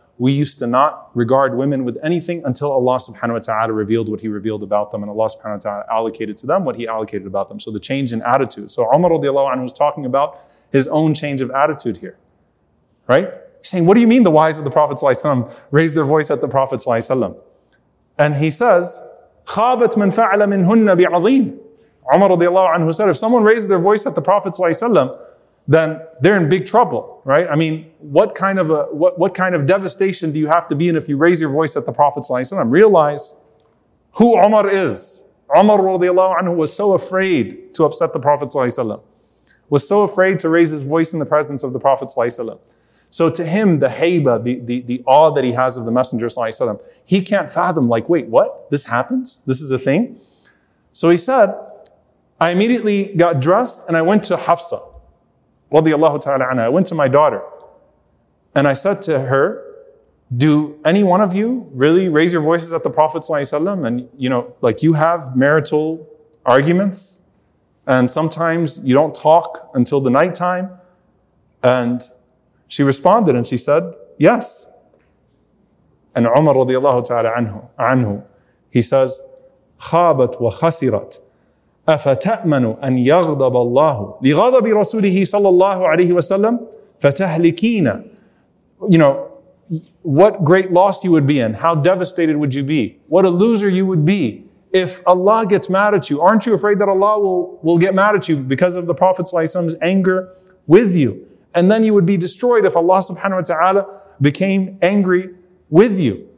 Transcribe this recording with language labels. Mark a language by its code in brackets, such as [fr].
[en] We used to not regard women with anything until Allah subhanahu wa ta'ala revealed what he revealed about them, and Allah subhanahu wa ta'ala allocated to them what he allocated about them. So the change in attitude. So Umar radiallahu anhu was talking about his own change of attitude here, right? He's saying, what do you mean the wives of the Prophet ﷺ raised their voice at the Prophet ﷺ? And he says, [ar] خَابَتْ مَنْ فَعْلَ مِنْهُنَّ بِعَظِيمٍ. [en] Umar radiallahu anhu said, if someone raises their voice at the Prophet ﷺ, then they're in big trouble, right? I mean, what kind of devastation do you have to be in if you raise your voice at the Prophet ﷺ? Realize who Umar is. Umar radiallahu anhu was so afraid to upset the Prophet ﷺ. Was so afraid to raise his voice in the presence of the Prophet ﷺ. So to him, the hayba, the awe that he has of the Messenger ﷺ, he can't fathom, like, wait, what? This happens? This is a thing? So he said, I immediately got dressed and I went to Hafsa, radiallahu ta'ala anha. I went to my daughter and I said to her, do any one of you really raise your voices at the Prophet ﷺ? And, you know, like, you have marital arguments, and sometimes you don't talk until the nighttime. And she responded and she said, yes. And Umar radiallahu ta'ala anhu, he says, [ar] خَابَتْ وَخَسِرَتْ أَفَتَأْمَنُ أَنْ يَغْضَبَ اللَّهُ لِغَضَبِ رَسُولِهِ صَلَى اللَّهُ عَلَيْهِ وَسَلَّمْ فَتَهْلِكِينَ. [en] You know, what great loss you would be in. How devastated would you be? What a loser you would be. If Allah gets mad at you, aren't you afraid that Allah will get mad at you because of the Prophet ﷺ's anger with you? And then you would be destroyed if Allah subhanahu wa ta'ala became angry with you.